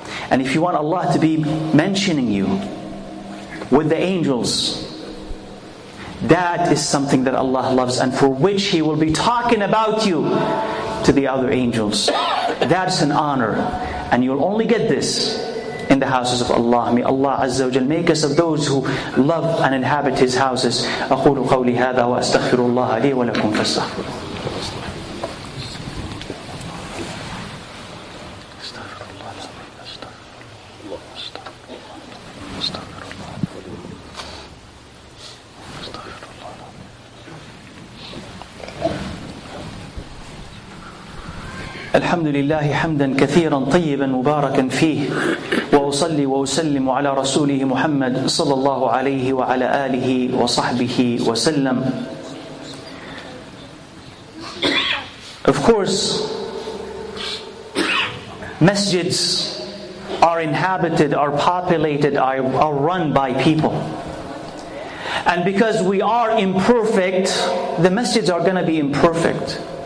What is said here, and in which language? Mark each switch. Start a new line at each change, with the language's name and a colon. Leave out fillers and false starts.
English: And if you want Allah to be mentioning you with the angels, that is something that Allah loves and for which He will be talking about you to the other angels. That's an honor. And you'll only get this in the houses of Allah. May Allah Azza wa Jal make us of those who love and inhabit His houses.
Arabic: أقول قولي هذا وأستغفر الله لي ولكم فاستغفروه. الحمد لله حمدا كثيرا طيبا مباركا فيه, وأصلي وأسلم على رسوله محمد صلى الله عليه وعلى آله وصحبه وسلم.
English: Of course, masjids are inhabited, are populated, are run by people. And because we are imperfect, the masjids are going to be imperfect.